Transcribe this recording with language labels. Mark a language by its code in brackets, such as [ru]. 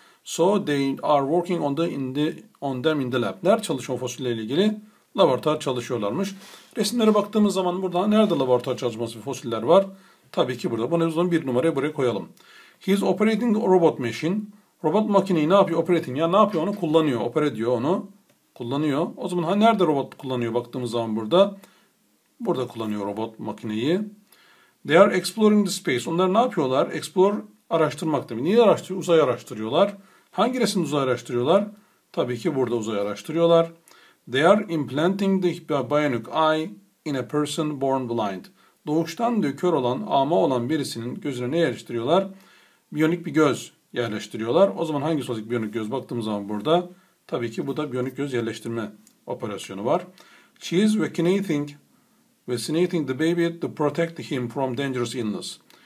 [en] So they are working on them in the lab. [tr] Nerede çalışıyor fosillerle ilgili? Laboratuvar çalışıyorlarmış. Resimlere baktığımız zaman burada nerede laboratuvar çalışması fosiller var? Tabii ki burada. Bunu bir numaraya buraya koyalım. [en] He is operating a robot machine. [tr] Robot makineyi ne yapıyor? Operating. Ya ne yapıyor? Onu kullanıyor. Opera ediyor onu. Kullanıyor. O zaman nerede robot kullanıyor baktığımız zaman burada? Burada kullanıyor robot makineyi. [en] They are exploring the space. [tr] Onlar ne yapıyorlar? Explore araştırmak demek. Niye araştırıyor? Uzay araştırıyorlar. Hangi resimde uzay araştırıyorlar? Tabii ki burada uzay araştırıyorlar. [en] They are implanting the bionic eye in a person born blind. [tr] Doğuştan diyor kör olan, ama olan birisinin gözüne ne yerleştiriyorlar? Bionik bir göz yerleştiriyorlar. O zaman hangi sosyal bionik göz baktığımız zaman burada? Tabii ki bu da bionik göz yerleştirme operasyonu var. [en] She is vaccinating the baby to protect him from dangerous illness.